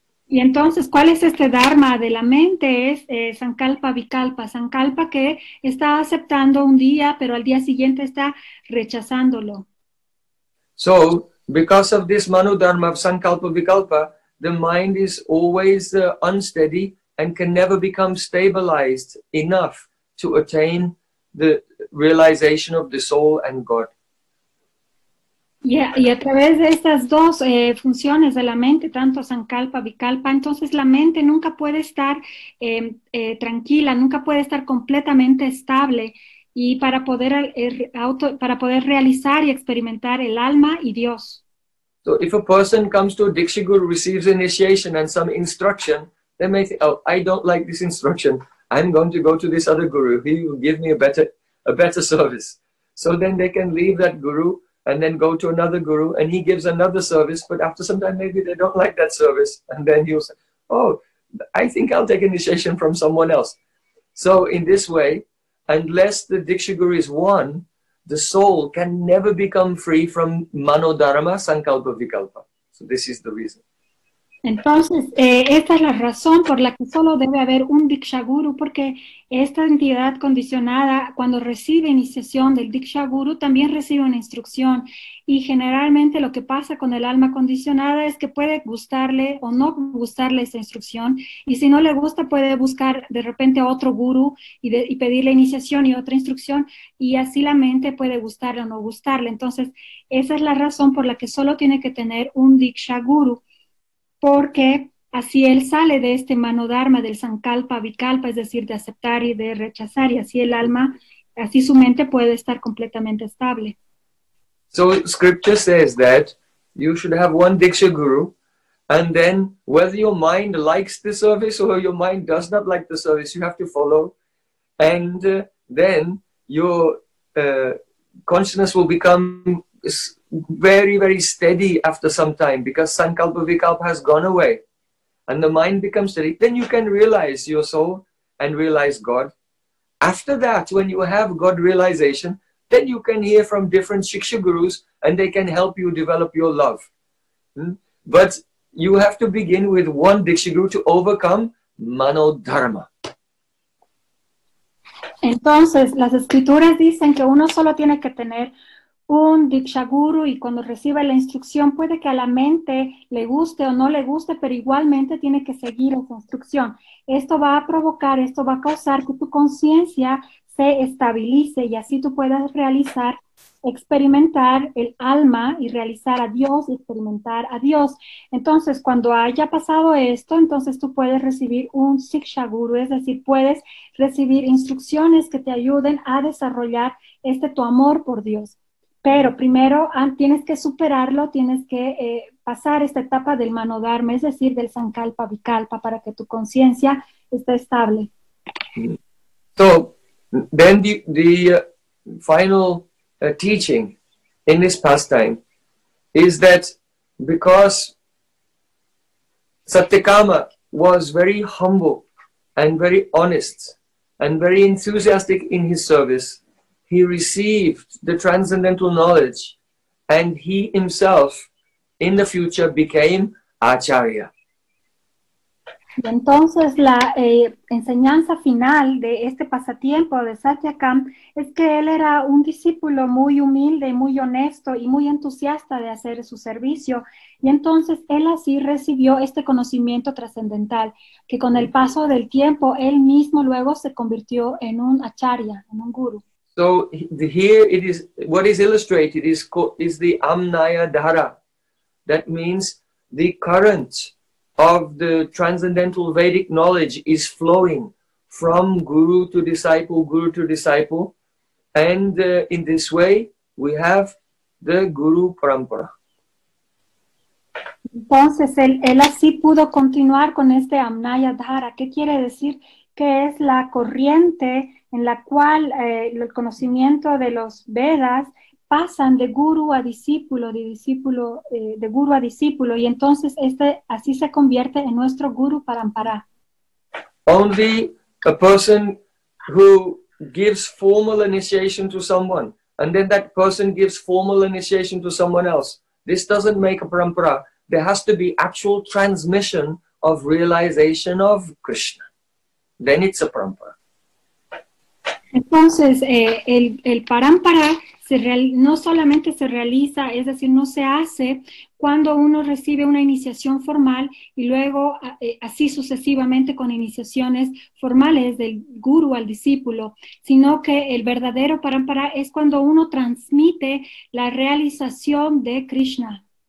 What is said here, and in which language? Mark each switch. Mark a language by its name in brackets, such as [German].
[Spanish] Y entonces, ¿cuál es este dharma de la mente? Es Sankalpa Vikalpa, Sankalpa que está aceptando un día, pero al día siguiente está rechazándolo. [English] So, because of this Mano Dharma of Sankalpa Vikalpa, the mind is always unsteady and can never become stabilized enough to attain the realization of the soul and God. Y a través de estas dos funciones de la mente, tanto Sankalpa, Vikalpa, entonces la mente nunca puede estar tranquila, nunca puede estar completamente estable, y para poder para poder realizar y experimentar el alma y Dios. So if a person comes to a Diksha Guru, receives initiation and some instruction, they may think, oh, I don't like this instruction, I'm going to go to this other guru, he will give me a better service. So then they can leave that guru and then go to another guru, and he gives another service, but after some time maybe they don't like that service, and then he'll say, oh, I think I'll take initiation from someone else. So in this way, unless the Diksha Guru is one, the soul can never become free from Mano Dharma, Sankalpa Vikalpa. So this is the reason. [Spanish] Entonces, esta es la razón por la que solo debe haber un Diksha Guru, porque esta entidad condicionada, cuando recibe iniciación del Diksha Guru, también recibe una instrucción. Y generalmente lo que pasa con el alma condicionada es que puede gustarle o no gustarle esa instrucción, y si no le gusta puede buscar de repente otro guru y pedirle iniciación y otra instrucción, y así la mente puede gustarle o no gustarle. Entonces, esa es la razón por la que solo tiene que tener un Diksha Guru, porque así él sale de este Mano Dharma, del Sankalpa Vikalpa, es decir, de aceptar y de rechazar, y así el alma, así su mente puede estar completamente estable. [English] So scripture says that you should have one Diksha Guru, and then whether your mind likes the service or your mind does not like the service, you have to follow, and then your consciousness will become very, very steady after some time, because Sankalpa Vikalpa has gone away and the mind becomes steady, then you can realize your soul and realize God. After that, when you have God realization, then you can hear from different Shiksha Gurus and they can help you develop your love. But you have to begin with one Diksha Guru to overcome Mano Dharma. [Spanish] Entonces, las escrituras dicen que uno solo tiene que tener un Diksha Guru, y cuando recibe la instrucción puede que a la mente le guste o no le guste, pero igualmente tiene que seguir esa instrucción. Esto va a provocar, esto va a causar que tu conciencia se estabilice y así tú puedas realizar, experimentar el alma y realizar a Dios y experimentar a Dios. Entonces, cuando haya pasado esto, entonces tú puedes recibir un Siksha Guru, es decir, puedes recibir instrucciones que te ayuden a desarrollar este tu amor por Dios. Pero primero tienes que superarlo, tienes que pasar esta etapa del Mano Dharma, es decir, del Sankalpa Vikalpa, para que tu conciencia esté estable. [English] So, then the final teaching in this pastime is that because Satyakama was very humble and very honest and very enthusiastic in his service, he received the transcendental knowledge, and he himself, in the future, became Acharya. [Spanish] Entonces, la enseñanza final de este pasatiempo de Satyakam es que él era un discípulo muy humilde, muy honesto y muy entusiasta de hacer su servicio. Y entonces, él así recibió este conocimiento trascendental, que con el paso del tiempo, él mismo luego se convirtió en un Acharya, en un guru. [English] So here it is, what is illustrated is the Amnaya Dhara. That means the current of the transcendental Vedic knowledge is flowing from guru to disciple, And in this way, we have the Guru Parampara. [Spanish] Entonces, él así pudo continuar con este Amnaya Dhara. ¿Qué quiere decir? Que es la corriente en la cual el conocimiento de los Vedas pasan de guru a discípulo, de guru a discípulo, y entonces este así se convierte en nuestro Guru Parampara. [English] Only a person who gives formal initiation to someone, and then that person gives formal initiation to someone else. This doesn't make a parampara. There has to be actual transmission of realization of Krishna. Then it's a parampara. [Spanish] Entonces, el parampara no solamente se realiza, es decir, no se hace cuando uno recibe una iniciación formal y luego así sucesivamente con iniciaciones formales del guru al discípulo, sino que el verdadero parampara es cuando uno transmite la realización de Krishna.